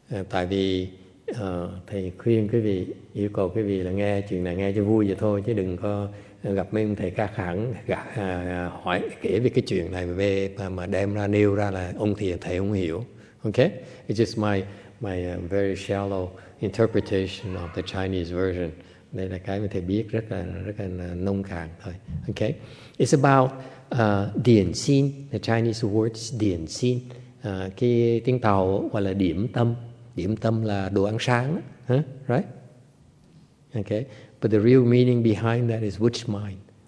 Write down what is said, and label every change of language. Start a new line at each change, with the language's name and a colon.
Vietnamese: Tại vì thầy khuyên quý vị, yêu cầu quý vị là nghe chuyện này nghe cho vui vậy thôi, chứ đừng có gặp mấy ông thầy khác hẳn hỏi kể về cái chuyện này về mà đem ra nêu ra là ông thì thầy không hiểu.
English: Okay, it's just my very shallow interpretation of the Chinese version.
Vietnamese: Đây là cái mà thầy biết rất là nông cạn thôi.
English: Okay, it's about điển xin, the Chinese word điển xin,
Vietnamese: cái tiếng Tàu gọi là điểm tâm. Điểm tâm là đồ ăn sáng, huh?
English: Right? Okay. But the real meaning behind that is which mind?